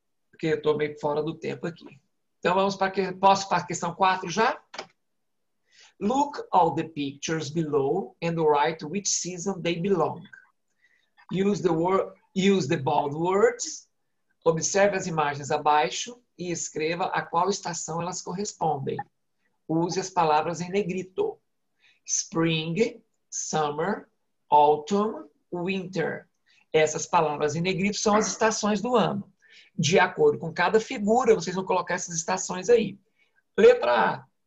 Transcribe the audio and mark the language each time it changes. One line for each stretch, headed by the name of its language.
Portuguese: Porque eu estou meio fora do tempo aqui. Então, vamos para que... Posso para a questão 4 já?
English: Look all the pictures below and write which season they belong. Use the word... Use the bold words.
Portuguese: Observe as imagens abaixo e escreva a qual estação elas correspondem. Use as palavras em negrito. Spring, summer, autumn, winter. Essas palavras em negrito são as estações do ano. De acordo com cada figura, vocês vão colocar essas estações aí. Letra A.